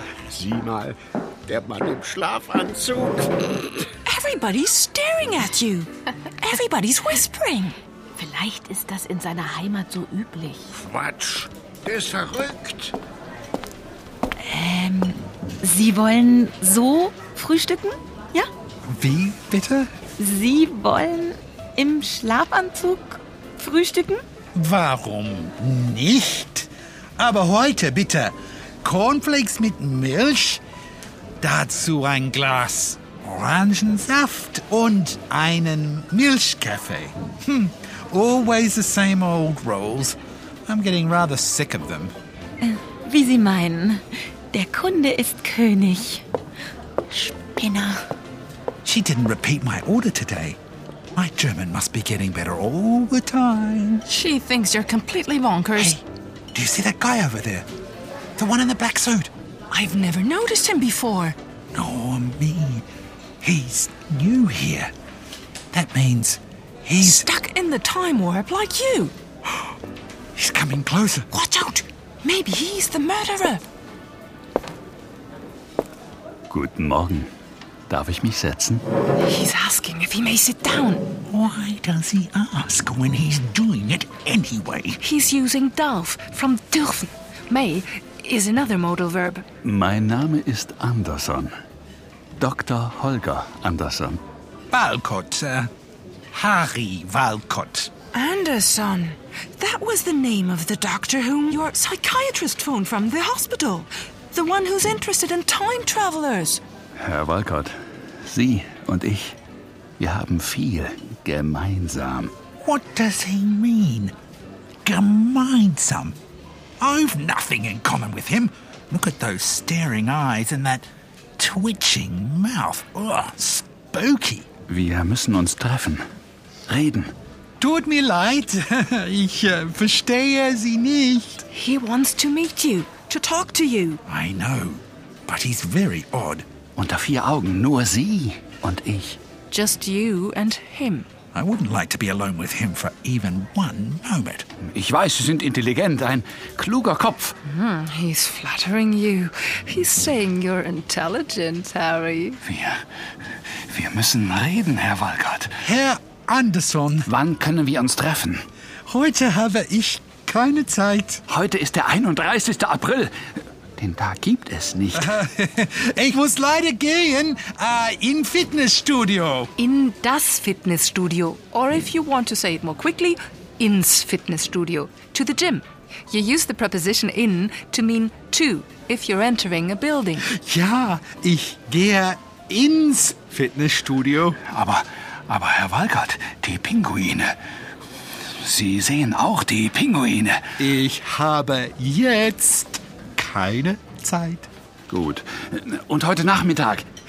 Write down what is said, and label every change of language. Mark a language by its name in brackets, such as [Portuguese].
[German] Sieh mal, der Mann im Schlafanzug. [English] Everybody's staring at you. Everybody's whispering. [German] Vielleicht ist das in seiner Heimat so üblich. Quatsch, der ist verrückt. Sie wollen so frühstücken, ja? Wie bitte? Sie wollen im Schlafanzug frühstücken? Warum nicht? Aber heute bitte Cornflakes mit Milch, dazu ein Glas Orangensaft und einen Milchkaffee. [English] Always the same old rolls. I'm getting rather sick of them. [German] Wie Sie meinen, der Kunde ist König. Spinner. [English] She didn't repeat my order today. My German must be getting better all the time. She thinks you're completely bonkers. Hey, do you see that guy over there? The one in the black suit? I've never noticed him before. Nor me. He's new here. That means he's... stuck in the time warp like you. He's coming closer. Watch out! Maybe he's the murderer. [German] Guten Morgen. Darf ich mich setzen? [English] He's asking if he may sit down. Why does he ask when he's doing it anyway? He's using darf from dürfen. May is another modal verb. [German] Mein Name ist Anderson. Dr. Holger Anderson. Walcott, Harry Walcott. [English] Anderson, that was the name of the doctor whom your psychiatrist phoned from the hospital. The one who's interested in time travelers. [German] Herr Walcott, Sie und ich, wir haben viel gemeinsam. [English] What does he mean? Gemeinsam? I've nothing in common with him. Look at those staring eyes and that twitching mouth. Ugh, spooky. [German] Wir müssen uns treffen. Reden. Tut mir leid. Ich verstehe Sie nicht. [English] He wants to meet you, to talk to you. I know, but he's very odd. [German] Unter vier Augen, nur Sie und ich. [English] Just you and him. I wouldn't like to be alone with him for even one moment. [German] Ich weiß, Sie sind intelligent, ein kluger Kopf. [English] He's flattering you. He's saying you're intelligent, Harry. [German] Wir müssen reden, Herr Walcott. Herr Anderson. Wann können wir uns treffen? Heute habe ich keine Zeit. Heute ist der 31. April. Den Tag gibt es nicht. Ich muss leider gehen. In Fitnessstudio. In das Fitnessstudio. [English] Or if you want to say it more quickly, ins Fitnessstudio. To the gym. You use the preposition in to mean to, if you're entering a building. [German] Ja, ich gehe ins Fitnessstudio. Aber Herr Walcott, die Pinguine. Sie sehen auch die Pinguine. Ich habe jetzt keine Zeit. Gut. Und heute Nachmittag?